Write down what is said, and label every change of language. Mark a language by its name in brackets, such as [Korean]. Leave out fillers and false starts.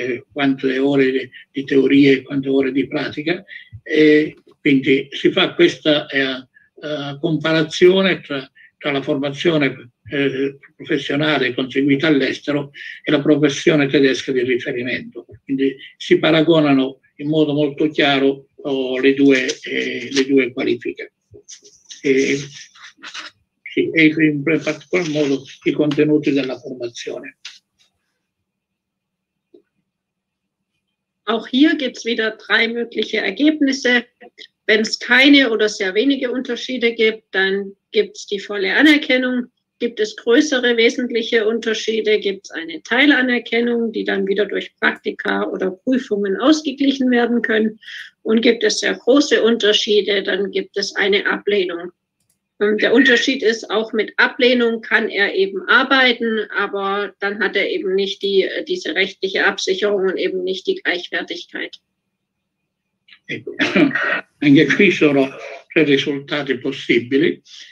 [Italian] quante ore di teoria e quante ore di pratica, e quindi si fa questa comparazione tra la formazione professionale conseguita all'estero e la professione tedesca di riferimento. Quindi si paragonano in modo molto chiaro le due qualifiche. E in particolar modo i contenuti della formazione. [German] Auch hier gibt es wieder 3 mögliche Ergebnisse. Wenn es keine oder sehr wenige Unterschiede gibt, dann gibt es die volle Anerkennung. Gibt es größere wesentliche Unterschiede, gibt es eine Teilanerkennung, die dann wieder durch Praktika oder Prüfungen ausgeglichen werden können. Und gibt es sehr große Unterschiede, dann gibt es eine Ablehnung. Und der Unterschied ist, auch mit Ablehnung kann er eben arbeiten, aber dann hat er eben nicht diese rechtliche Absicherung und eben nicht die Gleichwertigkeit. [Italian] Anche qui sono 3 risultati possibili.